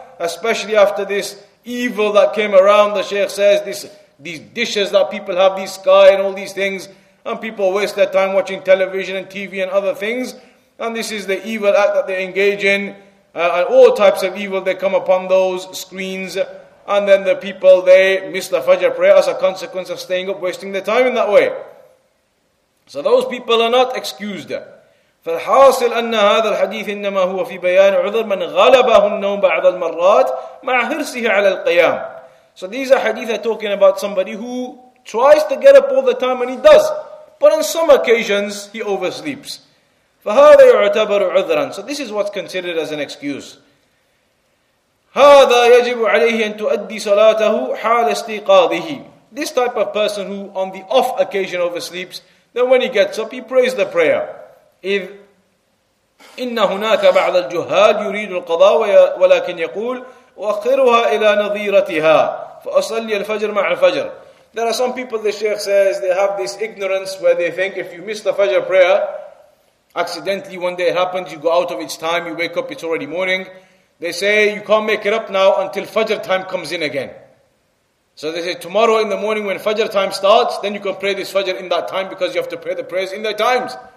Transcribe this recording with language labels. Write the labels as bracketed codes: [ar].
[en] Especially after this evil that came around, the Shaykh says, these dishes that people have, these sky and all these things, and people waste their time watching television and TV and other things, and this is the evil act that they engage in, and all types of evil they come upon those screens, and then the people, they miss the Fajr prayer as a consequence of staying up, wasting their time in that way. So those people are not excused. [ar] فالحاصل أن هذا الحديث إنما هو في بيان عذر من غلبه النوم بعض المرات مع حرصه على القيام. [en] So these are hadith are talking about somebody who tries to get up all the time and he does, but on some occasions he oversleeps. [ar] فهذا يعتبر عذرا. [en] So this is what's considered as an excuse. [ar] هذا يجب عليه أن تؤدي صلاته حال استيقاظه. [en] This type of person who on the off occasion oversleeps, then when he gets up, he prays the prayer. [ar] إذ إن هناك بعض الجهال يريد القضاء ولكن يقول وأخرها إلى نظيرتها فأصلي الفجر مع الفجر. [en] There are some people, the Sheikh says, they have this ignorance where they think if you miss the Fajr prayer, accidentally one day it happens, you go out of its time, you wake up, it's already morning. They say you can't make it up now until Fajr time comes in again. So they say tomorrow in the morning when Fajr time starts, then you can pray this Fajr in that time because you have to pray the prayers in their times.